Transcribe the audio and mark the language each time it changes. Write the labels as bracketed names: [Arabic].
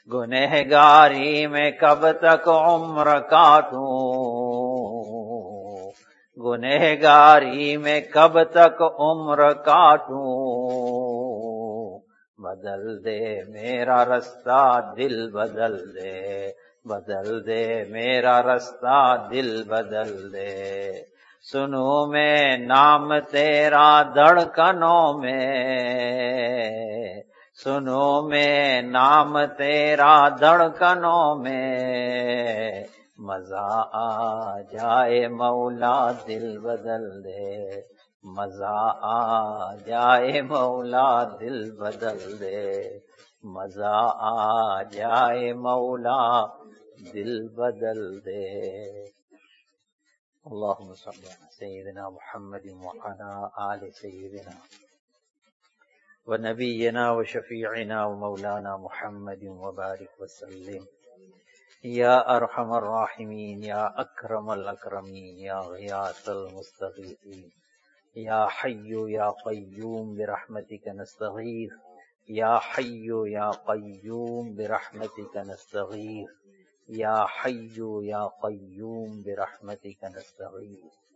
[Urdu] گنہگاری میں کب تک عمر کاٹوں, گنہگاری میں کب تک عمر کاٹوں, بدل دے میرا رستہ دل بدل دے, بدل دے میرا رستہ دل بدل دے. سنوں میں نام تیرا دھڑکنوں میں, سنوں میں نام تیرا دھڑکنوں میں, مزہ آ جائے مولا دل بدل دے, مزہ آ جائے مولا دل بدل دے, مزہ آ جائے مولا دل بدل دے. [Arabic] اللهم صل على سيدنا محمد وعلى آل سيدنا ونبينا وشفيعنا ومولانا محمد وبارك وسلم. يا أرحم الراحمين, يا أكرم الأكرمين, يا غياث المستغيثين, يا حي يا قيوم برحمتك نستغيث, يا حي يا قيوم برحمتك نستغيث, يا حي يا قيوم برحمتك نستغيث.